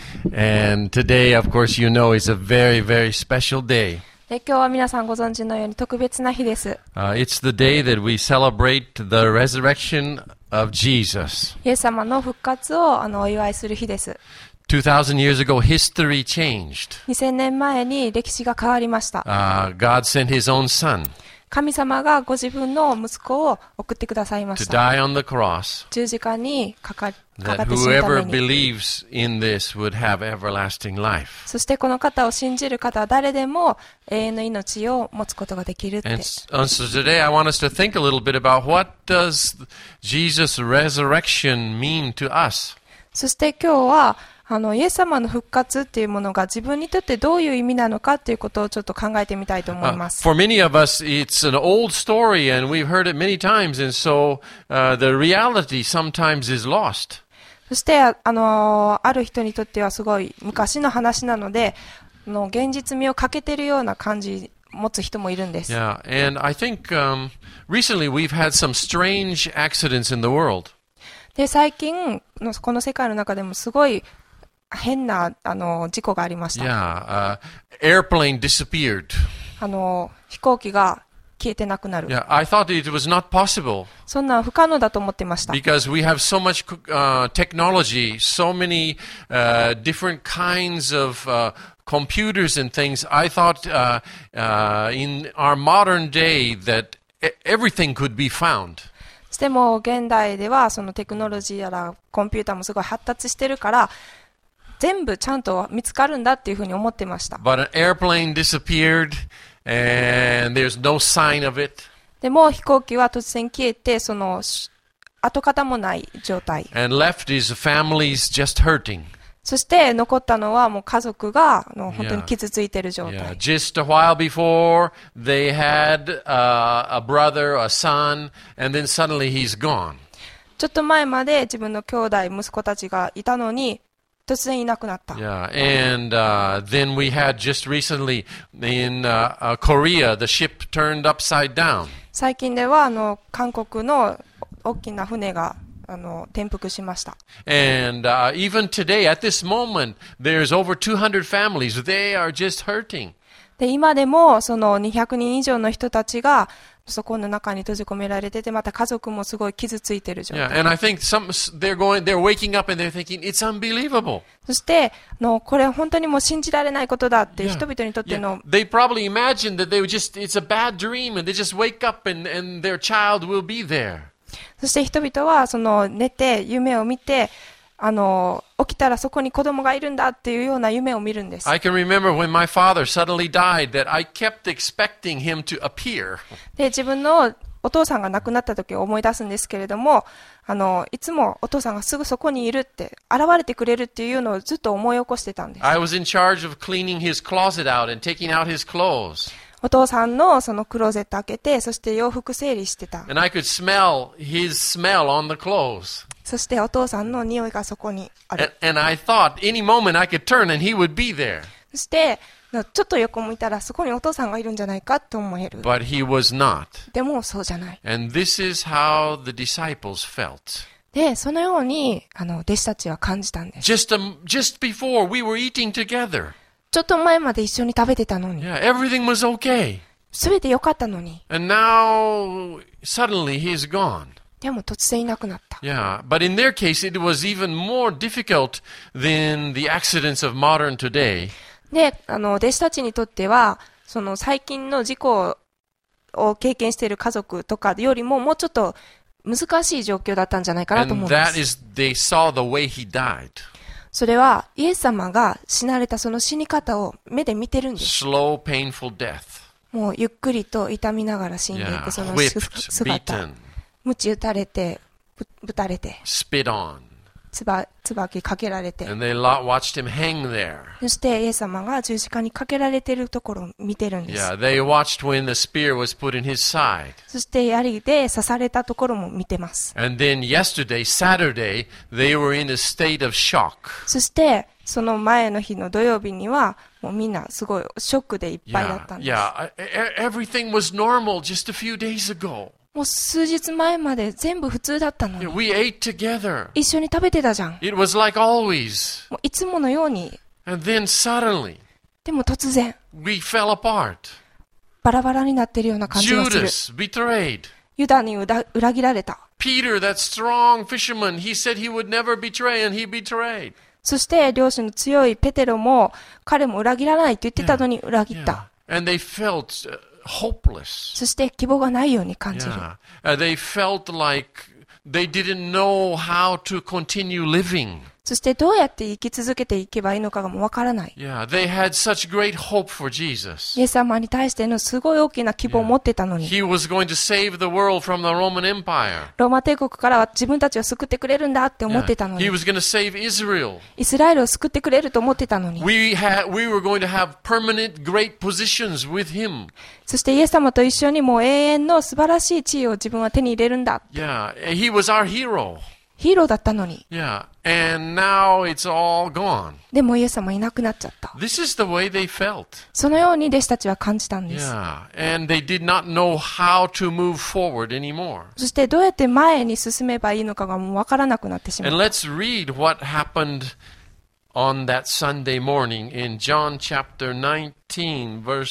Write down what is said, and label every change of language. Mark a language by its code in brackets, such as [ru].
[en] And today, of course, you know, is a very, very special day. [ja] 今日は皆さんご存知のように特別な日です。 [en] It's the day that we celebrate the resurrection of Jesus. [ja] イエス様の復活をお祝いする日です。 [en] 2000 years ago, history changed. [ja] 2000年前に歴史が変わりました。 [en] God sent His own Son. [ja] 神様がご自分の息子を送ってくださいました。 [en] To die on the cross. [ja] 十字架にかかって死ぬために。 [en] That whoever believes in this would have everlasting life. [ja] そしてこの方を信じる方は誰でも永遠の命を持つことができるって。 [en] And so today I want us to think a little bit about what does Jesus' resurrection mean to us. [ja] そして今日はイエス様の復活っていうものが自分にとってどういう意味なのかっていうことをちょっと考えてみたいと思います。 [en] For many of us, it's an old story and we've heard it many times and so, the reality sometimes is lost. [ja] そして、ある人にとってはすごい昔の話なので、現実味を欠けてるような感じ持つ人もいるんです。 [en] Yeah, and I think, recently we've had some strange accidents in the world. [ja] で、最近のこの世界の中でもすごい変な事故がありました。 [en] Yeah, airplane disappeared. [ja] 飛行機が消えてなくなる。 [en] Yeah, I thought it was not possible. [ja] そんな不可能だと思ってました。 [en] Because we have so much technology, so many different kinds of computers and things. I thought in our modern day that everything could be found. [ja] しても現代ではそのテクノロジーやらコンピューターもすごい発達してるから全部ちゃんと見つかるんだっていうふうに思ってました。 [en] But an airplane disappeared and there's no sign of it. [ja] でも飛行機は突然消えてその跡形もない状態。 [en] And left is families just hurting. [ja] そして残ったのはもう家族が本当に傷ついている状態。 [en] Yeah. Just a while before they had a brother, a son, and then suddenly he's gone. [ja] ちょっと前まで自分の兄弟、息子たちがいたのに突然いなくなった。 [en] Yeah. And then we had just recently in Korea, the ship turned upside down. [ja] 最近では韓国の大きな船が転覆しました。 [en] And even today, at this moment, there's over 200 families. They are just hurting. [ja] で、今でもその200人以上の人たちがそこの中に閉じ込められてて、また家族もすごい傷ついてる状態。 [en] Yeah, and I think some they're waking up and they're thinking it's unbelievable. [ja] そしてこれ本当にもう信じられないことだって人々にとっての。 [en] Yeah, yeah. They probably imagine that they would just it's a bad dream and they just wake up and their child will be there. [ja] そして人々はその寝て夢を見て起きたらそこに子供がいるんだっていうような夢を見るんです。 [en] I can remember when my father suddenly died that I kept expecting him to appear. [ja] で、自分のお父さんが亡くなった時を思い出すんですけれども、いつもお父さんがすぐそこにいるって現れてくれるっていうのをずっと思い起こしてたんです。 [en] I was in charge of cleaning his closet out and taking out his clothes. [ja] お父さんのそのクローゼット開けて、そして洋服整理してた。 [en] And I could smell his smell on the clothes. [ja] そしてお父さんの匂いがそこにある。 [en] And I thought any moment I could turn and he would be there. [ja] そしてちょっと横向いたらそこにお父さんがいるんじゃないかと思える。 [en] But he was not. [ja] でもそうじゃない。 [en] And this is how the disciples felt. [ja] で、そのように弟子たちは感じたんです。 [en] Just before we were eating together. [ja] ちょっと前まで一緒に食べてたのに。 [en] Yeah, everything was okay. [ja] 全て良かったのに。 [en] And now, suddenly he's gone. [ja] でも突然いなくなった。 [en] Yeah, but in their case, it was even more difficult than the accidents of modern today. [ja] で、弟子たちにとっては、その最近の事故を経験している家族とかよりももうちょっと難しい状況だったんじゃないかなと思うんです。 [en] And that is, they saw the way he died. [ja] それはイエス様が死なれたその死に方を目で見てるんです。 [en] Slow, painful death. [ja] もうゆっくりと痛みながら死んでいくその姿。 [en] Beaten. [ja] 鞭打たれて、ぶたれて。 [en] Spit on. [ja] つばきかけられて。 [en] And they watched him hang there. [ja] そしてイエス様が十字架にかけられてるところを見てるんです。 [en] Yeah, they watched when the spear was put in his side. [ja] そして槍で刺されたところも見てます。 [en] And then yesterday, Saturday, they were in a state of shock. [ja] そしてその前の日の土曜日にはもうみんなすごいショックでいっぱいだったんです。 [en] Yeah, everything was normal just a few days ago. [ja] もう数日前まで全部普通だったのに。 [en] We ate together. [ja] 一緒に食べてたじゃん。 [en] It was like always. [ja] もういつものように。 [en] And then suddenly. [ja] でも突然。 [en] We fell apart. [ja] バラバラになってるような感じがする。 [en] Judas betrayed. [ja] ユダに裏切られた。 [en] Peter, that strong fisherman, he said he would never betray, and he betrayed. [ja] そして両親の強いペテロも彼も裏切らないと言ってたのに裏切った。 [en] Yeah. Yeah. And they felt. Hopeless. [ja] そして希望がないように感じる。 [en] Yeah. They felt like they didn't know how to continue living. [ja] そしてどうやって生き続けていけばいいのかがもわからない。 [en] Yeah. They had such great hope for Jesus. [ja] イエス様に対してのすごい大きな希望を持ってたのに。 [en] Yeah. He was going to save the world from the Roman Empire. [ja] ローマ帝国からは自分たちを救ってくれるんだって思ってたのに。 [en] Yeah. He was going to save Israel. [ja] イスラエルを救ってくれると思ってたのに。 [en] We were going to have permanent great positions with him. [ja] そしてイエス様と一緒にもう永遠の素晴らしい地位を自分は手に入れるんだ。 [en] Yeah, he was our hero. [ja] ヒーローだったのに。 [en] Yeah, and now it's all gone. [ja] でもイエス様いなくなっちゃった。 [en] This is the way they felt. [ja] そのように弟子たちは感じたんです。 [en] Yeah, and they did not know how to move forward anymore. [ja] そしてどうやって前に進めばいいのかがもうわからなくなってしまった。 [en] And let's read what happened on that Sunday morning in John chapter 19.